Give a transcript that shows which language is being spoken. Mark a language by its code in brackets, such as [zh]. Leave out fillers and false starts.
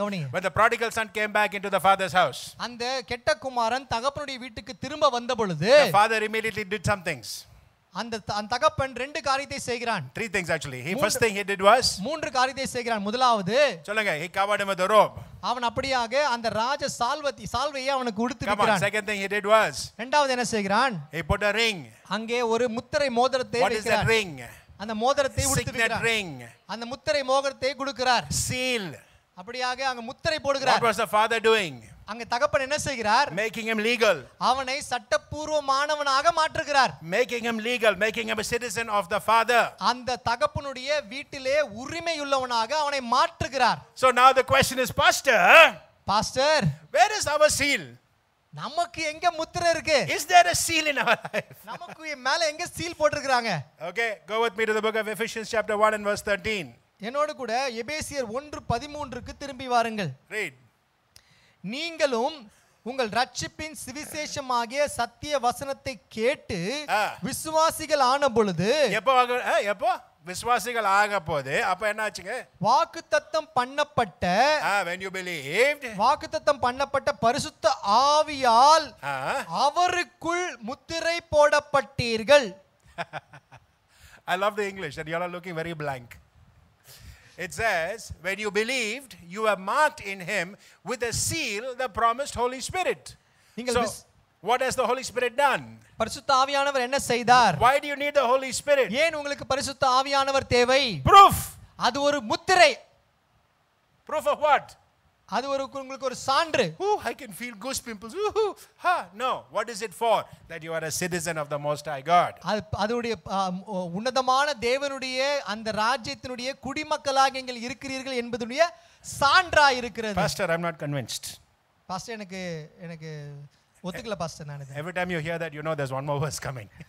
[en] When the prodigal son came back into the father's house, [ta] அந்த கெட்ட குமாரன் தகப்பனுடைய வீட்டுக்கு திரும்ப வந்தபொழுது, [en] the father immediately did some things. [ta] அந்த தகப்பன் ரெண்டு காரியத்தை செய்கிறான். [en] Three things actually. He first thing he did was, [ta] மூன்று காரியத்தை செய்கிறான். முதலாவது சொல்லுங்க, [en] he covered him with a robe. [ta] அவன் அப்படியாக அந்த ராஜ சால்வதி சால்வையை அவனுக்கு கொடுத்திருக்கான். [en] Second thing he did was, [ta] இரண்டாவது என்ன செய்கிறான்? [en] He put a ring. [ta] அங்கே ஒரு முத்திரை மோதிரத்தை வைக்கிறான். [en] What is that ring? [ta] அந்த மோதிரத்தை உடுத்துகிறான். [en] Signet ring. [ta] அந்த முத்திரை மோதிரத்தை கொடுக்கிறார். [en] Seal. [ta] அப்படியாக அங்க முத்திரை போடுகிறார். [en] What was the father doing? [ta] அங்க தகப்பன் என்ன செய்கிறார்? [en] Making him legal. [ta] அவனை சட்டபூர்வமானவனாக மாற்றுகிறார். [en] Making him legal, making him a citizen of the father. [ta] அந்த தகப்பனுடைய வீட்டிலே உரிமையுள்ளவனாக அவனை மாற்றுகிறார். [en] So now the question is, Pastor. Pastor, where is our seal? [ta] நமக்கு எங்க முத்திரை இருக்கு? [en] Is there a seal in our life? [ta] நமக்கு மேல எங்க சீல் போட்டுருக்காங்க? [en] Okay, go with me to the book of Ephesians chapter 1 and verse 13. [ta] என்னோடு கூட எபேசியர் 1:13 திரும்பி வாருங்கள். [en] Read. [ta] நீங்களும் உங்கள் ரட்சிப்பின் சுவிசேஷமாகிய சத்திய வசனத்தை கேட்டு விசுவாசிகள் ஆன பொழுது, எப்போ விசுவாசிகள் ஆக போது, அப்ப என்னாச்சுங்க? வாக்குத்தத்தம் பண்ணப்பட்ட, [en] when you believed, [ta] வாக்குத்தத்தம் பண்ணப்பட்ட பரிசுத்த ஆவியால் அவருக்குள் முத்திரை போடப்பட்டீர்கள். [en] I love the English that you all are looking very blank. It says, when you believed, you were marked in him with a seal, the promised Holy Spirit. So, what has the Holy Spirit done? [ta] பரிசுத்த ஆவியானவர் என்ன செய்தார்? [en] Why do you need the Holy Spirit? [ta] ஏன் உங்களுக்கு பரிசுத்த ஆவியானவர் தேவை? [en] Proof. [ta] அது ஒரு முத்திரை. [en] Proof of what? [ta] அது ஒரு உங்களுக்கு ஒரு சான்று. [en] Ooh, I can feel goose pimples. Ooh, ha, no. What is it for? That you are a citizen of the Most High God. [ta] அதுடைய உன்னதமான தேவனுடைய அந்த ராஜ்யத்தினுடைய குடிமக்களாக நீங்கள் இருக்கிறீர்கள் என்பதுடைய சான்றா இருக்கிறது. [en] Pastor, I'm not convinced. [ta] Pastor எனக்கு எனக்கு ஒத்துக்கல பாஸ்டர் நானு. [en] Every time you hear that, you know there's one more verse coming.